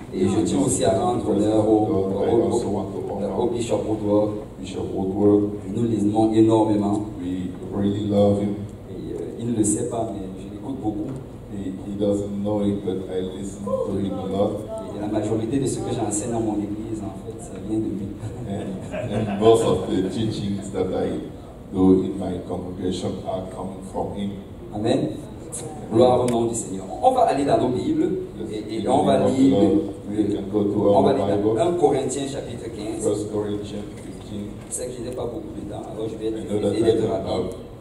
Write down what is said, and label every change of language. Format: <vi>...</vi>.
<fr>Et je tiens aussi à rendre honneur au Bishop Woodward. Bishop Woodward. Nous l'aimons énormément.</fr> <en>We really love him.</en> <fr>Et il ne le sait pas, mais je l'écoute beaucoup.</fr> <en>He doesn't know it, but I listen to him a lot.</en> <fr>Et la majorité de ce que j'enseigne dans mon église, en fait, ça vient de lui.</fr> <en>And most of the teachings that I do in my congregation are coming from him.</en> <fr>Amen. Gloire au nom du Seigneur. On va aller dans nos Bibles et on va lire 1 Corinthiens chapitre 15. 1 Corinthiens 15. C'est que je n'ai pas beaucoup de temps, alors je vais être rapide.</fr>